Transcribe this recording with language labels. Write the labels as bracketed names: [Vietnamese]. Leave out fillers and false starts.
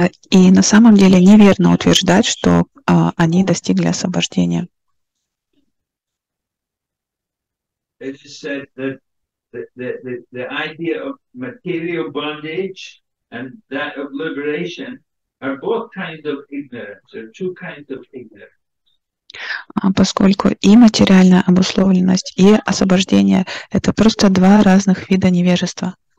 [Russian] И на самом деле неверно утверждать, что они достигли освобождения. [English] It is said that the idea of material bondage and that of liberation are both kinds of ignorance, or two kinds of ignorance. [Russian] Поскольку и материальная обусловленность, и освобождение — это просто два разных вида невежества.